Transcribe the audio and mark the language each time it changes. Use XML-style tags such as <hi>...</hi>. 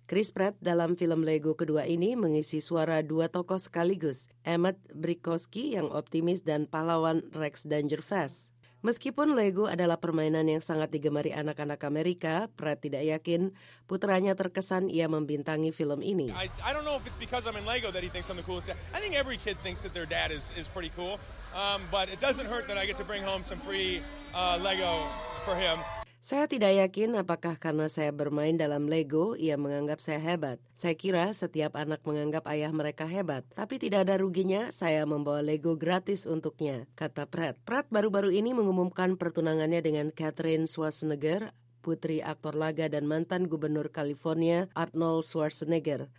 <id>Chris Pratt dalam film Lego kedua ini mengisi suara dua tokoh sekaligus, Emmett Brickowski yang optimis dan pahlawan Rex Dangerfast. Meskipun Lego adalah permainan yang sangat digemari anak-anak Amerika, Pratt tidak yakin putranya terkesan ia membintangi film ini.</id> <en>I don't know if it's because I'm in Lego that he thinks I'm the coolest. I think every kid thinks that their dad is pretty cool. But it doesn't hurt that I get to bring home some free Lego for him.</en> <id>Saya tidak yakin apakah karena saya bermain dalam Lego, ia menganggap saya hebat. Saya kira setiap anak menganggap ayah mereka hebat. Tapi tidak ada ruginya, saya membawa Lego gratis untuknya, kata Pratt. Pratt baru-baru ini mengumumkan pertunangannya dengan Catherine Schwarzenegger, putri aktor laga dan mantan gubernur California, Arnold Schwarzenegger.</id>